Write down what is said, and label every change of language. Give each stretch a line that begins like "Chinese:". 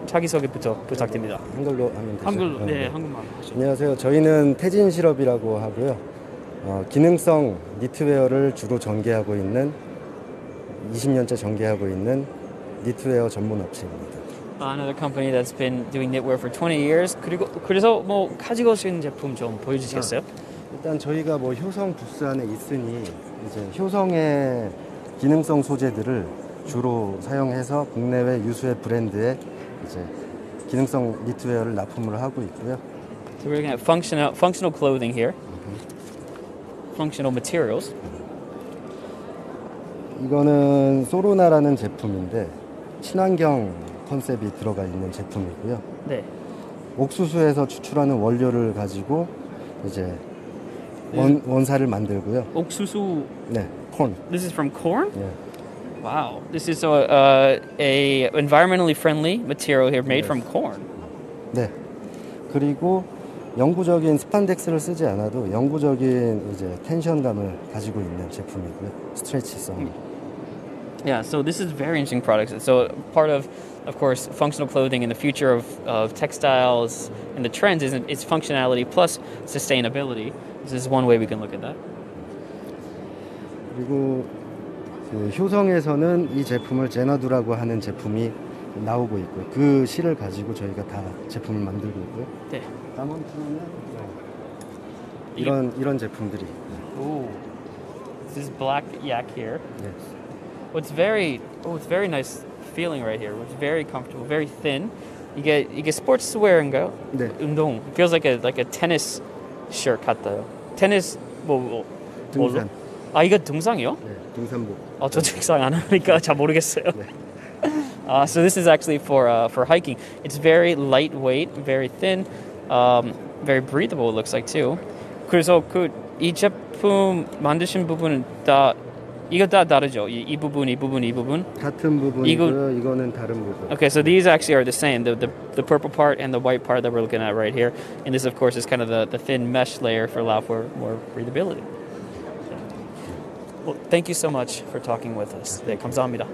Korean: 자기소개부터 부탁드립니다. 한글로 하면 되죠? 한글로, 네, 한글만. 안녕하세요. 저희는 태진실업이라고 하고요. 기능성 니트웨어를 주로 전개하고 있는 20년째 전개하고 있는 니트웨어 전문 업체입니다.
English: Another company that's been doing knitwear for 20 years.
Korean: 그리고 그래서 뭐 가지고 오신 제품 좀 보여주시겠어요? 일단 저희가 뭐 효성 부스 안에 있으니 이제 효성의 기능성 소재들을 주로 사용해서 국내외 유수의 브랜드에 이제 기능성 니트웨어를 납품을 하고 있고요.
English: So we're looking at functional clothing here. Functional materials.
Korean: 이거는 소로나라는 제품인데 친환경 컨셉이 들어가 있는 제품이고요. 네. 옥수수에서 추출하는 원료를 가지고 이제 원사를 만들고요. 옥수수.
English: 네. Corn. This is from corn?
Korean: 네.
English: Wow. This is a environmentally friendly material here made 네. from corn.
Korean: 네. 그리고 영구적인 스판덱스를 쓰지 않아도 영구적인 이제 텐션감을 가지고 있는 제품이고요. 스트레치성.
English: Yeah, so this is very interesting product. So part of course, functional clothing in the future of textiles and the trends is its functionality plus sustainability. This is one way we can look at that.
Korean: 그리고 그 효성에서는 이 제품을 제너두라고 하는 제품이 나오고 있고 그 실을 가지고 저희가 다 제품을 만들고 있고요. 네. 다몬트는 이런 제품들이.
English: 오, this is black yak here. Yes. Oh, it's very nice feeling right here. It's very comfortable, very thin.
Korean: 이게 스포츠웨어인가요? 네. 운동.
English: It feels like a tennis shirt
Korean: 같아요. 테니스 뭐 등산. 아 이거 등산이요? 네, 등산복. 아 저 등산 안 하니까 잘 모르겠어요. 네.
English: So this is actually for hiking. It's very lightweight, very thin, very breathable. It looks like too.
Korean: 그래서 그 이 제품 만드신 부분은 다 이거 다 다르죠? 이 부분. 같은 부분이고 이거는 다른 부분.
English: Okay, so these actually are the same. The purple part and the white part that we're looking at right here. And this, of course, is kind of the thin mesh layer for allow for more breathability. Well, thank you so much for talking with us.
Korean: 네, 감사합니다.